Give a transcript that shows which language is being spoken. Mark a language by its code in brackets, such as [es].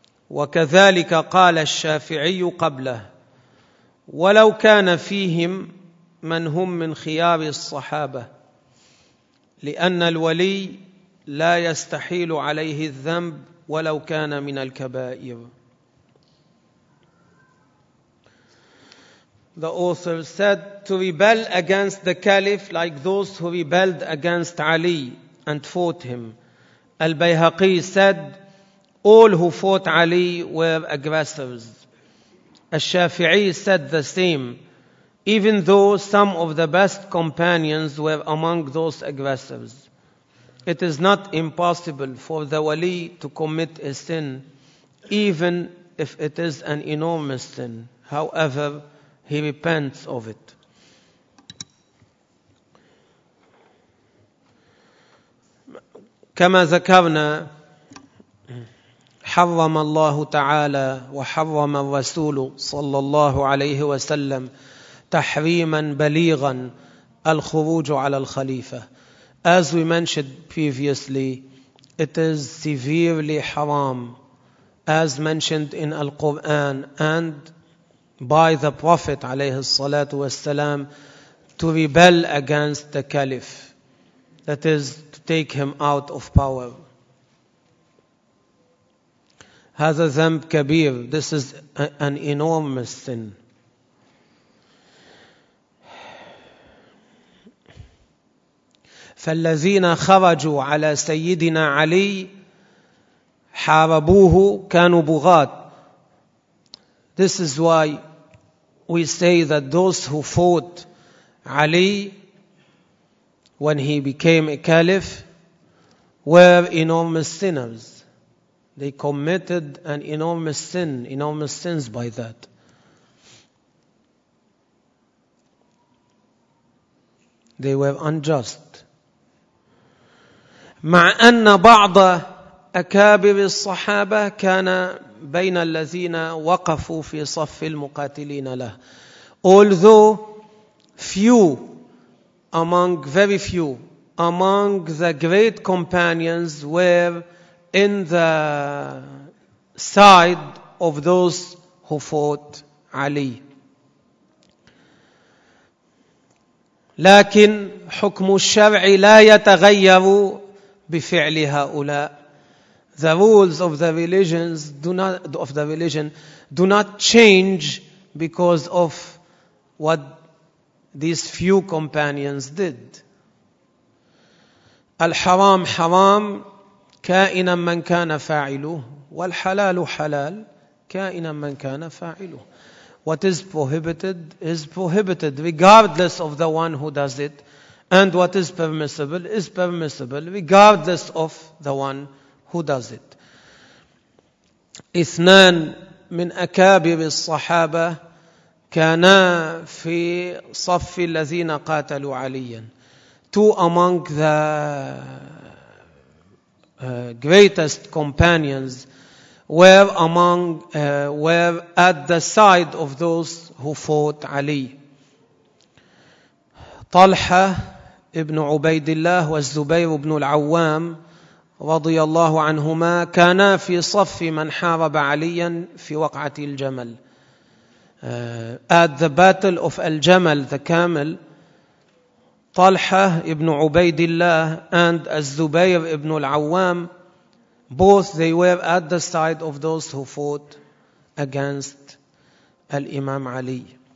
[ar] وكذلك قال الشافعي قبله: ولو كان فيهم من هم من خيار الصحابة, لأن الولي لا يستحيل عليه الذنب ولو كان من الكبائر. [en] The author said, to rebel against the caliph like those who rebelled against Ali and fought him. Al-Bayhaqi said, all who fought Ali were aggressors. Al-Shafi'i said the same, even though some of the best companions were among those aggressors. It is not impossible for the wali to commit a sin, even if it is an enormous sin. However, he repents of it. [ar] كما ذكرنا حرم الله تعالى وحرم الرسول صلى الله عليه وسلم تحريما بليغا الخروج على الخليفة. [en] As we mentioned previously, it is severely haram, as mentioned in Al-Quran and by the Prophet [ar] عليه الصلاة والسلام, [en] to rebel against the caliph, that is to take him out of power. [ar] هذا ذنب كبير. [en] This is an enormous sin. [ar] فالذين خرجوا على سيدنا علي حاربوه كانوا بغاة. [en] This is why we say that those who fought Ali when he became a caliph were enormous sinners. They committed an enormous sin, enormous sins by that. They were unjust. [ar] مع أن بعض أكابر الصحابة كان بين الذين وقفوا في صف المقاتلين له. [en] Although few, among very few, among the great companions were in the side of those who fought Ali. [ar] لكن حكم الشرع لا يتغير بفعل هؤلاء. [en] The rules of the religions do not change because of what these few companions did. [ar] الحرام حرام كائنا من كان فاعله, والحلال حلال كائنا من كان فاعله. [en] What is prohibited is prohibited regardless of the one who does it, and what is permissible regardless of the one who does it. [ar] اثنان من أكابر الصحابة كانا في صف الذين قاتلوا عليا. [en] two among the greatest companions were among were at the side of those who fought Ali. [ar] Talha ibn Ubaidillah was Zubayr ibn al-Awwam رضي الله عنهما كانا في صف من حارب عليا في وقعة الجمل. [en] At the battle of Al-Jamal, the camel, Talha ibn Ubaidillah and Az-Zubayr ibn al-Awwam, both they were at the side of those who fought against Al-Imam Ali.